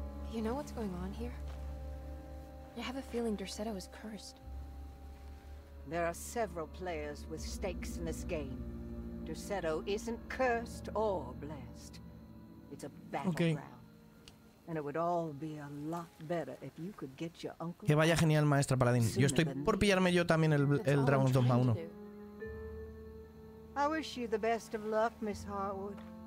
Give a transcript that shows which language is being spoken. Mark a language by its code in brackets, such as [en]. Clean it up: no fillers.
[en] Do you know what's going on here? I have a feeling Dorsetto is cursed. There are several players with stakes in this game. Dorsetto isn't cursed or blessed. It's a battleground. Okay. And it would all be a lot better if you could get your uncle. [es] Que vaya genial, maestra Paladín. Yo estoy por pillarme yo también el Dragon's Dogma 1. [en] I wish you the best of luck, Miss Hartwood.